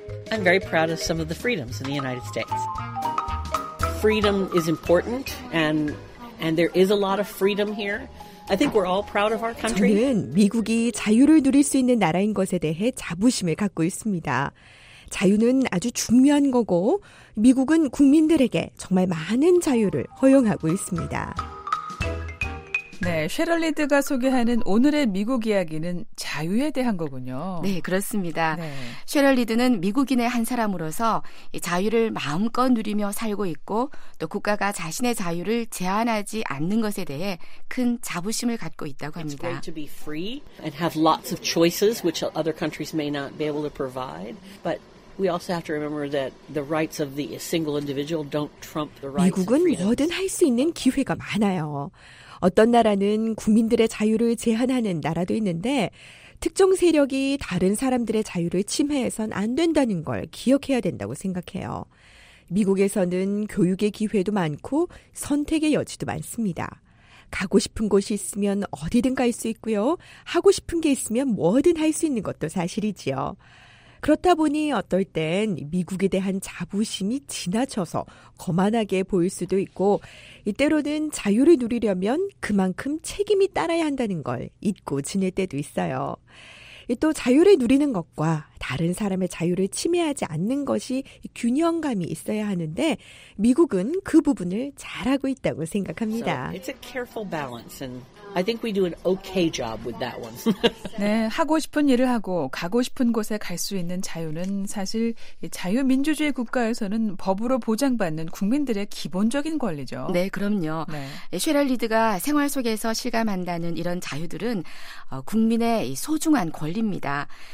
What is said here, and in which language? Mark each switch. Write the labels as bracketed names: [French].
[English] I'm very proud of some of the freedoms in the United States. Freedom is important, and there is a lot of freedom here. I think we're all proud of our country. [Korean] 저는 미국이 자유를 누릴 수 있는 나라인 것에 대해 자부심을 갖고 있습니다. 자유는 아주 중요한 거고 미국은 국민들에게 정말 많은 자유를 허용하고 있습니다. 네, 쉐럴리드가 소개하는 오늘의 미국 이야기는 자유에 대한 거군요. 네, 그렇습니다. 네. 쉐럴리드는 미국인의 한 사람으로서 자유를 마음껏 누리며 살고 있고 또 국가가 자신의 자유를 제한하지 않는 것에 대해 큰 자부심을 갖고 있다고 합니다. [English] It's great to be free and have lots of choices which other countries may not be able to provide, but we also have to remember that the rights of the single individual don't trump the rights of freedom. [Korean] 미국은 뭐든 할 수 있는 기회가 많아요. 어떤 나라는 국민들의 자유를 제한하는 나라도 있는데 특정 세력이 다른 사람들의 자유를 침해해선 안 된다는 걸 기억해야 된다고 생각해요. 미국에서는 교육의 기회도 많고 선택의 여지도 많습니다. 가고 싶은 곳이 있으면 어디든 갈 수 있고요. 하고 싶은 게 있으면 뭐든 할 수 있는 것도 사실이지요. 그렇다 보니 어떨 땐 미국에 대한 자부심이 지나쳐서 거만하게 보일 수도 있고 이때로는 자유를 누리려면 그만큼 책임이 따라야 한다는 걸 잊고 지낼 때도 있어요. 또 자유를 누리는 것과 다른 사람의 자유를 침해하지 않는 것이 균형감이 있어야 하는데 미국은 그 부분을 잘하고 있다고 생각합니다. [English] So it's a careful balance and I think we do an okay job with that one. [Korean] 네, 하고 싶은 일을 하고 가고 싶은 곳에 갈 수 있는 자유는 사실 자유민주주의 국가에서는 법으로 보장받는 국민들의 기본적인 권리죠. 네, 그럼요. 네. 쉐럴리드가 생활 속에서 실감한다는 이런 자유들은 국민의 소중한 권리입니다.